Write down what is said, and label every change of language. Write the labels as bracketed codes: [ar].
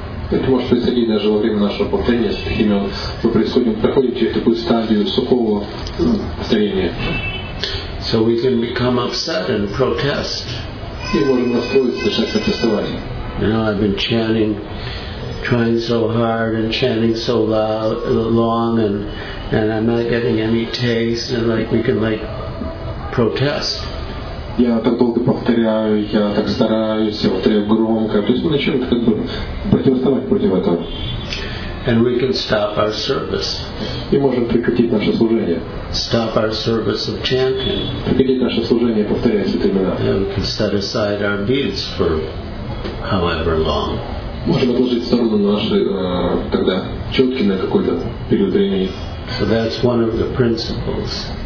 [ru] Это может происходить даже во время нашего повторения стихими. Мы проходим через такую стадию сухого повторения. [en] So we can become upset and protest. [ru] И можем настроиться, начать протестовать. [en] You know, I've been chanting, trying so hard and chanting so long, and I'm not getting any taste, and like we can like protest. [ru] Я так долго повторяю, я так стараюсь, я повторяю громко. То есть мы начнем как бы противостоять против этого. [en] And we can stop our service. [ru] И можем прекратить наше служение. [en] Stop our service of chanting. [ru] Прекратить наше служение, повторяя святые имена. [en] And we can set aside our beads for however long. [ru] Можем отложить в сторону наши тогда четки на какой-то период времени. [en] So that's one of the principles.